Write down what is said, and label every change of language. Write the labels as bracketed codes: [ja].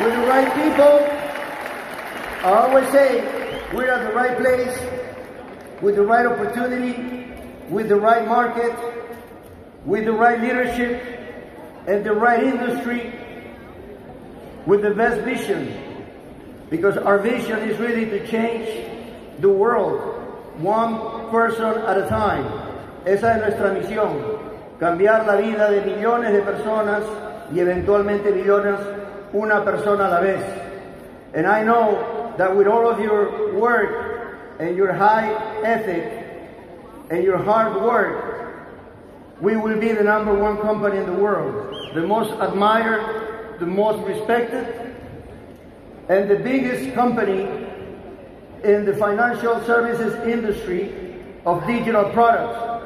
[en] We're the right people. I always say, we're at the right place, with the right opportunity, with the right market, with the right leadership, and the right industry, with the best vision. Because our vision is really to change the world, one person at a time. [es] Esa es nuestra misión, cambiar la vida de millones de personas y eventualmente billones, una persona a la vez. [en] And I know that with all of your work and your high ethic and your hard work, we will be the number one company in the world, the most admired, the most respected, and the biggest company in the financial services industry of digital products.